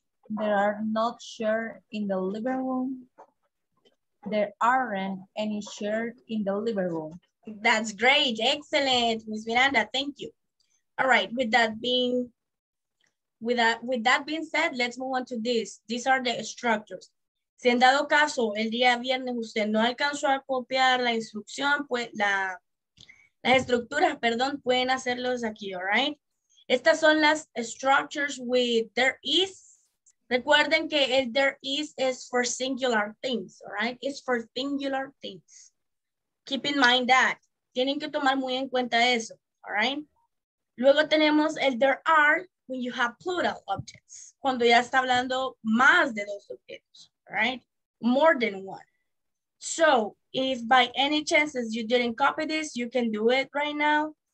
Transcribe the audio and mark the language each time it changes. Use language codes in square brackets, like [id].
[en] There are not chairs in the living room. There aren't any chairs in the living room. That's great. Excellent, Ms. Miranda. Thank you. All right. With that being said, let's move on to this. These are the structures. [es] Si en dado caso, el día viernes usted no alcanzó a copiar la instrucción, pues las estructuras, pueden hacerlos aquí, [en] all right? [es] Estas son las [en] structures with there is. [es] Recuerden que el [en] there is for singular things, all right? It's for singular things. Keep in mind that. [es] Tienen que tomar muy en cuenta eso, [en] all right? [es] Luego tenemos el [en] there are when you have plural objects. [es] Cuando ya está hablando más de dos objetos, [en] all right? More than one. So, if by any chances you didn't copy this, you can do it right now.